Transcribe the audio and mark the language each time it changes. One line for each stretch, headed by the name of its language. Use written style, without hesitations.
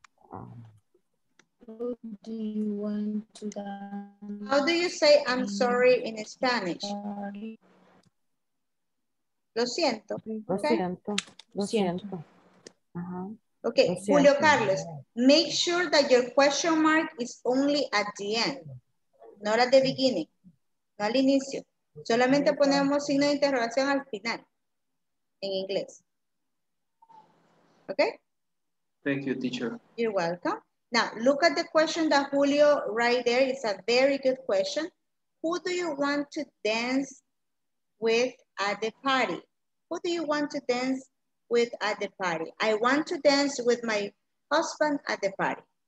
English: How do you say I'm sorry in Spanish?
Spanish: Lo siento. Okay? Lo siento. Lo siento. Uh-huh. Okay, lo siento.
English: Julio Carlos, make sure that your question mark is only at the end, not at the beginning,
Spanish: no al inicio. Solamente ponemos signo de interrogación al final, en inglés.
English: Okay? Thank you, teacher. You're welcome. Now, look at the question that Julio right there. It's a very good question. Who do you want to dance with at the party? Who do you want to dance with at the party? I want to dance with my husband at the party.